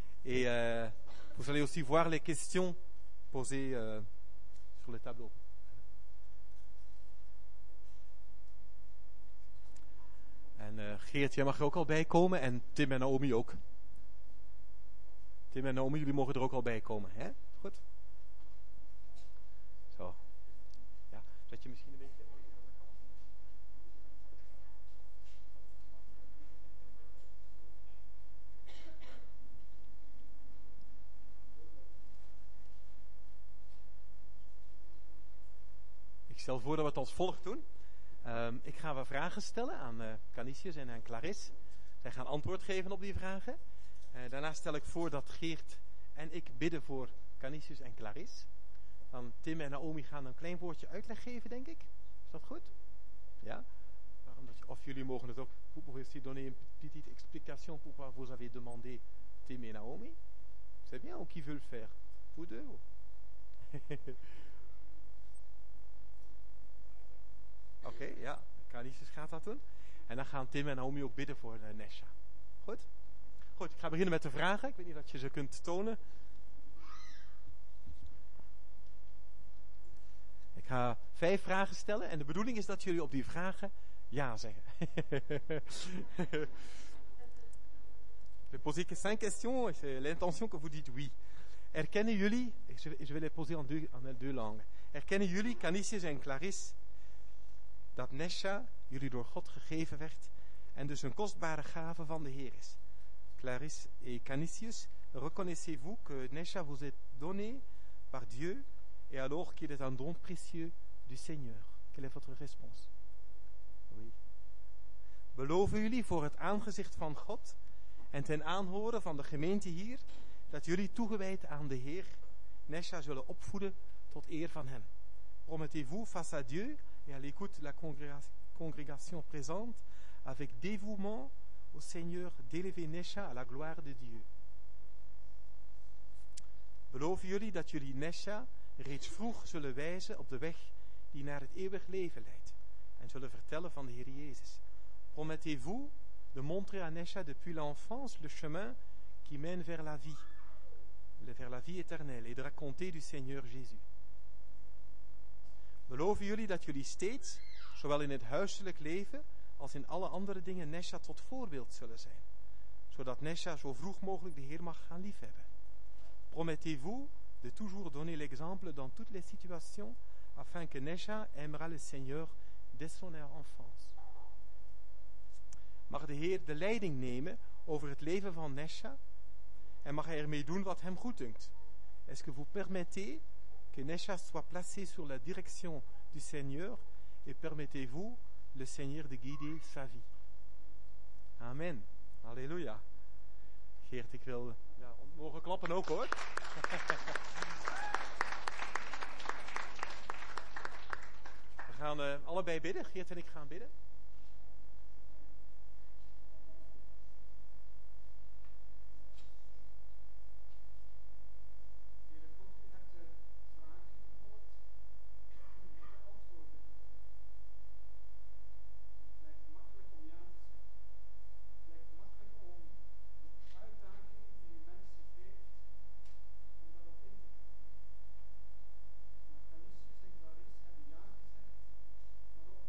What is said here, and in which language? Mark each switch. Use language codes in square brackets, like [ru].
[fr] Et vous allez aussi voir les questions posées sur le tableau. [nl] En Geert, jij mag er ook al bij komen. En Tim en Naomi ook. Tim en Naomi, jullie mogen er ook al bij komen. Hè? Goed. Zo. Ja, zet je misschien een beetje... Ik stel voor dat we het als volgt doen. Ik ga wat vragen stellen aan Canisius en aan Clarice. Zij gaan antwoord geven op die vragen. Daarna stel ik voor dat Geert en ik bidden voor Canisius en Clarice. Dan Tim en Naomi gaan een klein woordje uitleg geven, denk ik. Is dat goed? Ja? Waarom dat je, of jullie mogen het ook. [fr] Vous pouvez aussi donner une petite explication pourquoi vous avez demandé Tim et Naomi. C'est bien, ou qui veut le faire? Vous deux? [nl] Oké, okay, ja. Canisius gaat dat doen. En dan gaan Tim en Naomi ook bidden voor Nesha. Goed? Goed, ik ga beginnen met de vragen. Ik weet niet of je ze kunt tonen. Ik ga 5 vragen stellen. En de bedoeling is dat jullie op die vragen ja zeggen. [fr] Je vais poser 5 questions. Et c'est l'intention que vous dites oui. [nl] Erkennen jullie... [fr] Je vais les poser en deux langues. [nl] Erkennen jullie Canisius en Clarice... dat Nesha jullie door God gegeven werd en dus een kostbare gave van de Heer is. [fr] Clarice et Canisius, reconnaissez-vous que Nesha vous est donnée par Dieu et alors qu'il est un don précieux du Seigneur? Quelle est votre réponse? Oui. [nl] Beloven jullie voor het aangezicht van God en ten aanhore van de gemeente hier dat jullie toegewijd aan de Heer Nesha zullen opvoeden tot eer van hem? [fr] Promettez-vous face à Dieu et à l'écoute de la congrégation présente, avec dévouement au Seigneur d'élever Nesha à la gloire de Dieu. [nl] Beloven jullie dat jullie Nesha reeds vroeg zullen wijzen op de weg die naar het eeuwig leven leidt en zullen vertellen van de Heer Jezus? [fr] Promettez-vous de montrer à Nesha depuis l'enfance le chemin qui mène vers la vie éternelle et de raconter du Seigneur Jésus? [nl] Beloven jullie dat jullie steeds, zowel in het huiselijk leven als in alle andere dingen, Nesha tot voorbeeld zullen zijn, zodat Nesha zo vroeg mogelijk de Heer mag gaan liefhebben? [fr] Promettez-vous de toujours donner l'exemple dans toutes les situations, afin que Nesha aimera le Seigneur dès son enfance? [nl] Mag de Heer de leiding nemen over het leven van Nesha en mag hij ermee doen wat hem goed dunkt? [fr] Est-ce que vous permettez que Nesha soit placée sous la direction du Seigneur et permettez-vous le Seigneur de guider sa vie? [nl] Amen. Alléluia. Geert, ik wil... Ja, mogen klappen ook hoor. We gaan allebei bidden. Geert en ik gaan bidden. Maar ook